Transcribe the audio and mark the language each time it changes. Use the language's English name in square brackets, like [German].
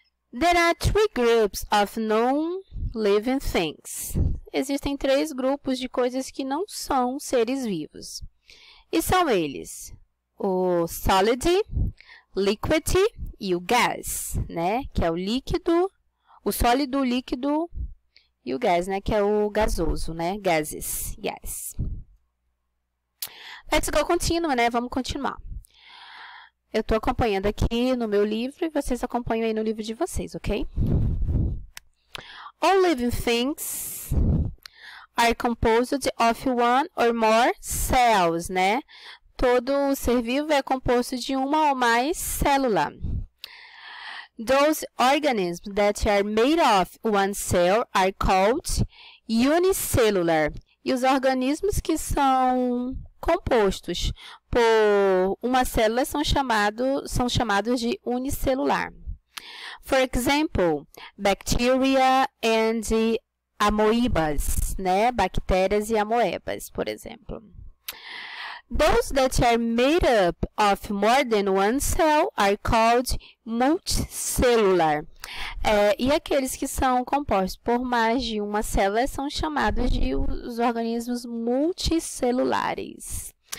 [English] There are three groups of non-living things. [Portuguese] Existem três grupos de coisas que não são seres vivos. E são eles, o solid, liquid e o gas, né? Que é o líquido, o sólido, o líquido e o gas, né? Que é o gasoso, né? [English] Gases, yes. Let's go continue, né? [Portuguese] Vamos continuar. Eu estou acompanhando aqui no meu livro e vocês acompanham aí no livro de vocês, ok? [English] All living things are composed of one or more cells, né? [Portuguese] Todo ser vivo é composto de uma ou mais célula. [English] Those organisms that are made of one cell are called unicellular. [Portuguese] E os organismos que são compostos por uma célula são chamados de unicelular. [English] For example, bacteria and amoebas, né? [Portuguese] Bactérias e amoebas, por exemplo. [English] Those that are made up of more than one cell are called multicellular. [Portuguese] E aqueles que são compostos por mais de uma célula são chamados de os organismos multicelulares.